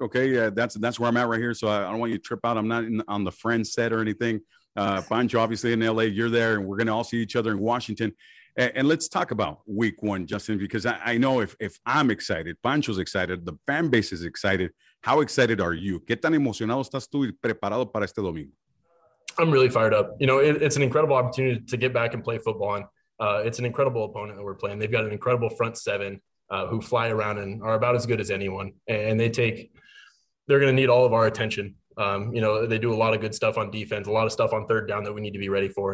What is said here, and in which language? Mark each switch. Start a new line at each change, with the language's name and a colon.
English: Okay, that's where I'm at right here. So I don't want you to trip out. I'm not on the friend set or anything. Pancho, obviously in LA, you're there, and we're gonna all see each other in Washington. And let's talk about week one, Justin, because I know if I'm excited, Pancho's excited, the fan base is excited. How excited are you?
Spanish: ¿Qué tan emocionado estás tú y preparado para este domingo?
English: I'm really fired up. You know, it's an incredible opportunity to get back and play football. And it's an incredible opponent that we're playing. They've got an incredible front seven who fly around and are about as good as anyone. And they're going to need all of our attention. You know, they do a lot of good stuff on defense, a lot of stuff on third down that we need to be ready for.